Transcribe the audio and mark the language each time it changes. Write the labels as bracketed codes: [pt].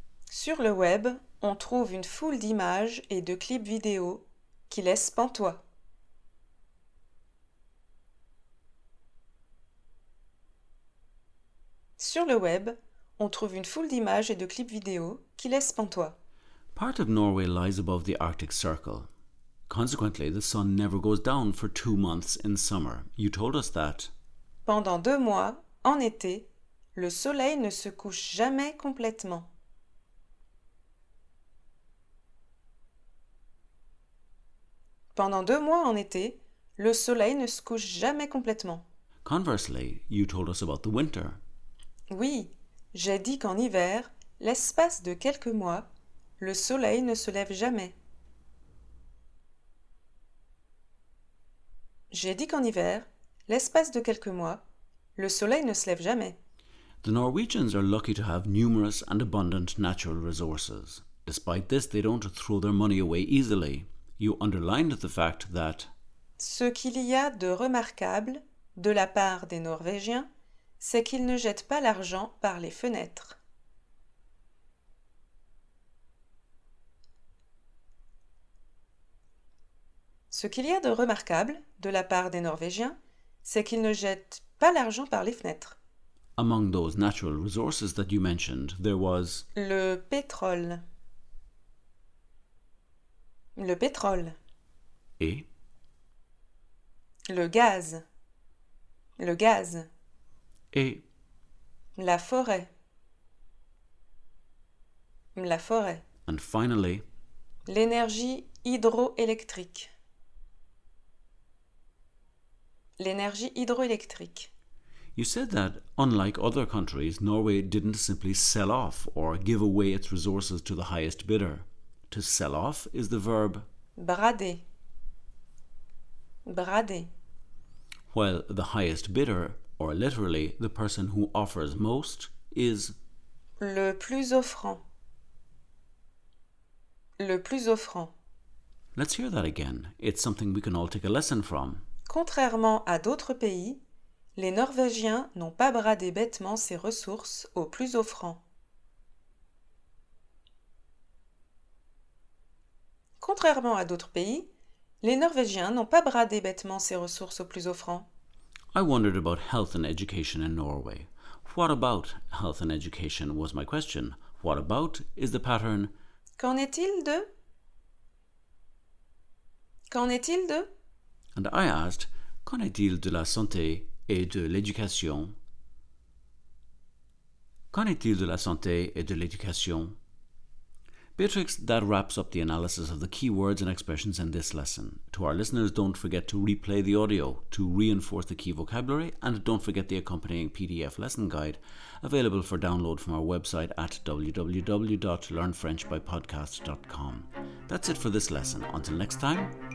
[fr] Sur le web, on trouve une foule d'images et de clips vidéo qui laissent pantois. Sur le web, on trouve une foule d'images et de clips vidéo qui laissent pantois. [en] Part of Norway lies above the Arctic Circle. Consequently, the sun never goes down for 2 months in summer. You told us that. [fr] Pendant 2 mois, en été, le soleil ne se couche jamais complètement. Pendant 2 mois en été, le soleil ne se couche jamais complètement. [en] Conversely, you told us about the winter. [fr] Oui, j'ai dit qu'en hiver, l'espace de quelques mois, le soleil ne se lève jamais. J'ai dit qu'en hiver, l'espace de quelques mois, le soleil ne se lève jamais. [en] The Norwegians are lucky to have numerous and abundant natural resources. Despite this, they don't throw their money away easily. You underlined the fact that... [fr] Ce qu'il y a de remarquable de la part des Norvégiens, c'est qu'ils ne jettent pas l'argent par les fenêtres. Ce qu'il y a de remarquable de la part des Norvégiens, c'est qu'ils ne jettent pas l'argent par les fenêtres. [en] Among those natural resources that you mentioned, there was... [fr] Le pétrole. Le pétrole. Et? Le gaz. Le gaz. Et? La forêt. La forêt. [en] And finally? [fr] L'énergie hydroélectrique. L'énergie hydroélectrique. [en] You said that, unlike other countries, Norway didn't simply sell off or give away its resources to the highest bidder. To sell off is the verb... [fr] Brader. Brader. [en] While the highest bidder, or literally, the person who offers most, is... [fr] Le plus offrant. Le plus offrant. [en] Let's hear that again. It's something we can all take a lesson from. [fr] Contrairement à d'autres pays, les Norvégiens n'ont pas bradé bêtement ses ressources au plus offrant. Contrairement à d'autres pays, les Norvégiens n'ont pas bradé bêtement ses ressources au plus offrant. [en] I wondered about health and education in Norway. What about health and education was my question. What about is the pattern? [fr] Qu'en est-il de? Qu'en est-il de? [en] And I asked, [fr] qu'en est-il de la santé et de l'éducation? Qu'en est-il de la santé et de l'éducation? [en] Beatrix, that wraps up the analysis of the key words and expressions in this lesson. To our listeners, don't forget to replay the audio to reinforce the key vocabulary, and don't forget the accompanying PDF lesson guide available for download from our website at www.learnfrenchbypodcast.com. That's it for this lesson. Until next time.